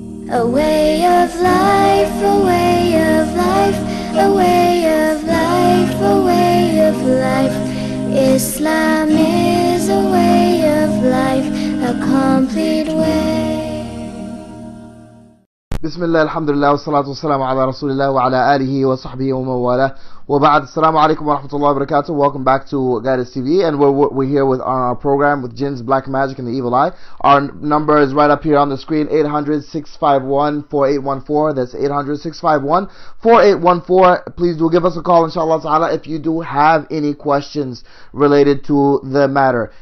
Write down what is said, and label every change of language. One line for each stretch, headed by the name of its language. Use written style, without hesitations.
English: A way of life, a way of life, a way of life, a way of life. Islam is a way of life, a complete way.
Arabic: بسم الله الحمد لله والصلاة والسلام على رسول الله وعلى آله وصحبه ومواله وبعد السلام عليكم ورحمة الله وبركاته.
English: Welcome back to Guidance TV, and we're here with on our program with Jinns, Black Magic, and the Evil Eye. Our number is right up here on the screen, 800-651-4814. That's 800-651-4814. Please do give us a call, inshallah ta'ala, if you do have any questions related to the matter.